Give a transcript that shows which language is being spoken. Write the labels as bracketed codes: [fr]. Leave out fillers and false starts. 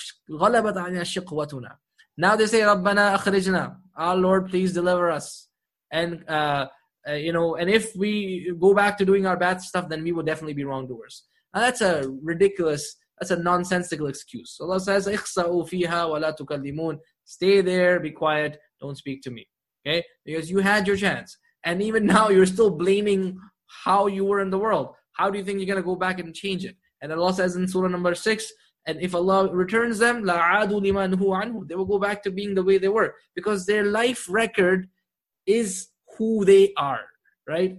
[ar] غَلَبَتْ عَلَيْنَا شِقْوَتُنَا. [en] Now they say, [ar] رَبَّنَا أَخْرِجْنَا. [en] Our Lord, please deliver us. And and if we go back to doing our bad stuff, then we will definitely be wrongdoers. Now that's a ridiculous, that's a nonsensical excuse. Allah says, [ar] اِخْسَأُوا فِيهَا وَلَا تُكَلِّمُونَ. [en] Stay there, be quiet, don't speak to me. Okay? Because you had your chance. And even now, you're still blaming how you were in the world. How do you think you're going to go back and change it? And Allah says in Surah number 6, and if Allah returns them, [ar] لَعَادُوا لِمَا نُهُوا عَنْهُ. [en] They will go back to being the way they were. Because their life record is who they are, right?